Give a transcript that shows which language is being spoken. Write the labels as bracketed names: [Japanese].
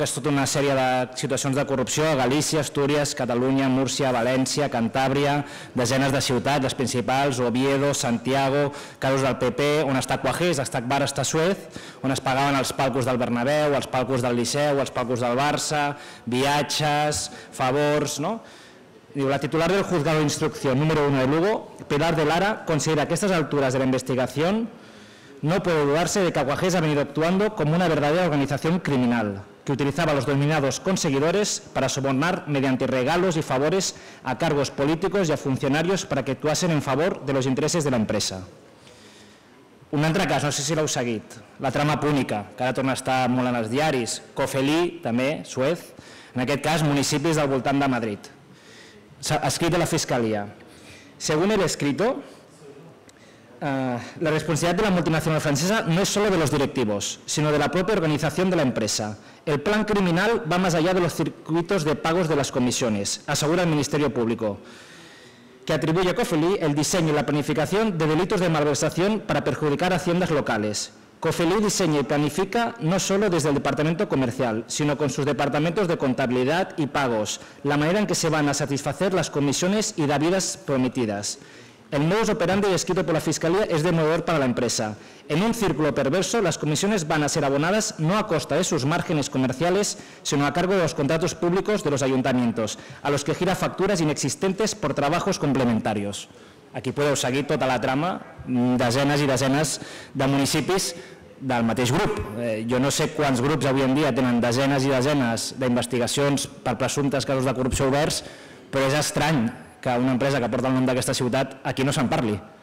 [Catalan] Que és tota una sèrie de situacions de corrupció a Galícia, Astúries, Catalunya, Múrcia, València, Cantàbria, desenes de ciutats, les principals, Oviedo, Santiago, casos del PP, on està Cuajés, està Bar, està Suez, on es pagaven els palcos del Bernabéu, els palcos del Liceu, els palcos del Barça, viatges, favors, no? [Spanish] Diu, la titular del juzgado de instrucción número 1 de Lugo, Pilar de Lara, considera que a estas alturas de la investigación no puede dudarse de que Aguajés ha venido actuando como una verdadera organización criminal que utilizaba a los denominados conseguidores para sobornar mediante regalos y favores a cargos políticos y a funcionarios para que actuasen en favor de los intereses de la empresa. [Catalan] Un altre cas, no sé si l'heu seguit, la trama púnica, que ara torna a estar molt en els diaris, Cofelí, també, Suez, en aquest cas municipis del voltant de Madrid. [Spanish] Escrito de la Fiscalía. Según el escrito, la responsabilidad de la multinacional francesa no es solo de los directivos, sino de la propia organización de la empresa. El plan criminal va más allá de los circuitos de pagos de las comisiones, asegura el Ministerio Público, que atribuye a Cofelí el diseño y la planificación de delitos de malversación para perjudicar a haciendas locales. Cofelí diseña y planifica no solo desde el departamento comercial, sino con sus departamentos de contabilidad y pagos, la manera en que se van a satisfacer las comisiones y dádivas prometidas. El modus operandi descrito por la Fiscalía es demoledor para la empresa. En un círculo perverso, las comisiones van a ser abonadas no a costa de sus márgenes comerciales, sino a cargo de los contratos públicos de los ayuntamientos, a los que gira facturas inexistentes por trabajos complementarios. [Catalan] Aquí podeu seguir tota la trama, desenes i desenes de municipis del mateix grup. Jo no sé quants grups avui en dia tenen desenes i desenes d'investigacions per presumptes casos de corrupció oberts, però és estrany que una empresa que porta el nom d'aquesta ciutat aquí no se'n parli.